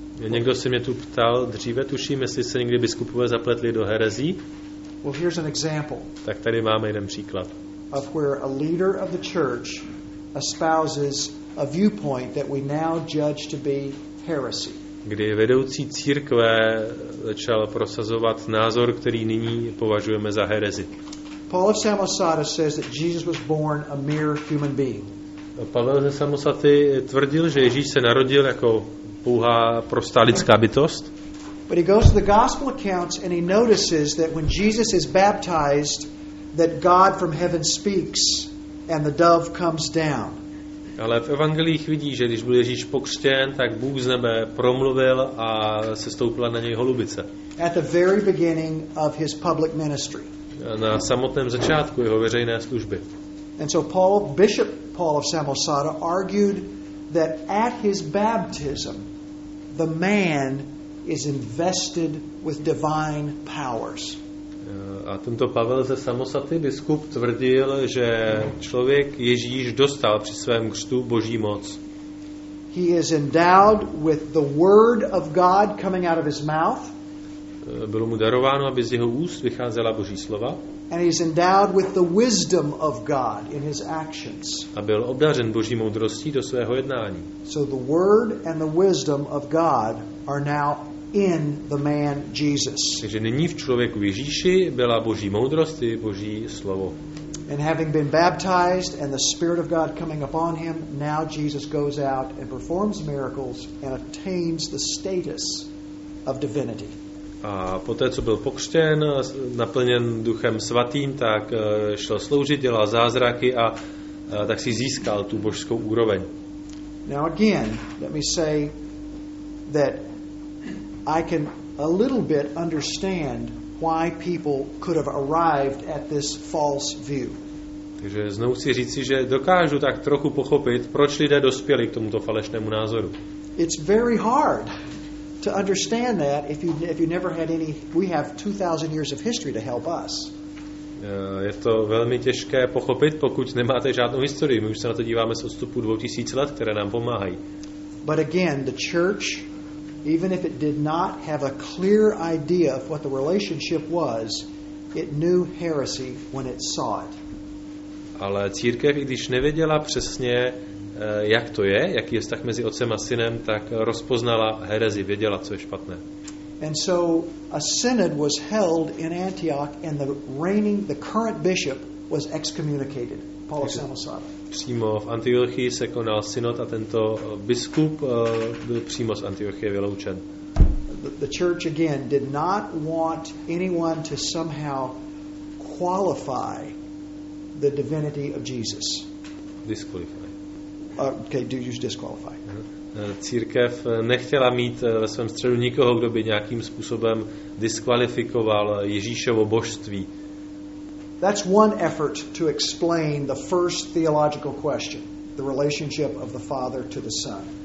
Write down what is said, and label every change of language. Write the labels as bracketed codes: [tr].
[cs] Někdo se mě tu ptal dříve, tuším, jestli se někdy biskupové zapletli do herezí. [en] Well, here's an example. [cs] Tak tady máme jeden příklad. [en] Of where a leader of the church espouses a viewpoint that we now judge to be heresy. [cs] Kdy vedoucí církve začal prosazovat názor, který nyní považujeme za herezi. [en] Paul of Samosata says that Jesus was born a mere human being. [cs] Pavel ze Samosaty tvrdil, že Ježíš se narodil jako pouhá prostá lidská bytost. [en] But he goes to the gospel accounts and he notices that when Jesus is baptized, that God from heaven speaks and the dove comes down. [cs] Ale v evangeliích vidí, že když byl Ježíš pokřtěn, tak Bůh z nebe promluvil a sestoupila na něj holubice. [en] At the very beginning of his public ministry. [cs] Na samotném začátku jeho veřejné služby. [en] And so Paul, Bishop Paul of Samosata, argued that at his baptism, the man is invested with divine powers. [cs] A tento Pavel ze Samosaty, biskup, tvrdil, že člověk Ježíš dostal při svém křtu Boží moc. [en] He is endowed with the word of God coming out of his mouth. [cs] Bylo mu darováno, aby z jeho úst vycházela Boží slova. [en] And he is endowed with the wisdom of God in his actions. [cs] A byl obdařen Boží moudrostí do svého jednání. [en] So the word and the wisdom of God are now in the man Jesus. [cs] Takže nyní v člověku Ježíši byla Boží moudrost i Boží slovo. [en] And having been baptized and the Spirit of God coming upon him, now Jesus goes out and performs miracles and attains the status of divinity. [cs] A poté, co byl pokřtěn, naplněn Duchem Svatým, tak šel sloužit, dělal zázraky a tak si získal tu božskou úroveň. [en] Now again, let me say that I can a little bit understand why people could have arrived at this false view. [cs] Takže znovu si říci, že dokážu tak trochu pochopit, proč lidé dospěli k tomuto falešnému názoru. [en] It's very hard to understand that if you never had any, we have 2000 years of history to help us. [cs] Je to velmi těžké pochopit, pokud nemáte žádnou historii. My už se na to díváme s odstupu 2000 let, které nám pomáhají. [en] But again, the church, even if it did not have a clear idea of what the relationship was, it knew heresy when it saw it. [cs] Ale církev, i když nevěděla přesně, jak to je, jaký je vztah mezi otcem a synem, tak rozpoznala herezi, věděla, co je špatné. [en] And so a synod was held in Antioch and the reigning, the current bishop was excommunicated, Paul of Samosata. [cs] Přímo v Antiochii se konal synod a tento biskup byl přímo z Antiochie vyloučen. [en] The church again did not want anyone to somehow qualify the divinity of Jesus. Disqualify. Okay, do use disqualify. [cs] Církev nechtěla mít ve svém středu nikoho, kdo by nějakým způsobem diskvalifikoval Ježíšovo božství. [en] That's one effort to explain the first theological question, the relationship of the Father to the Son.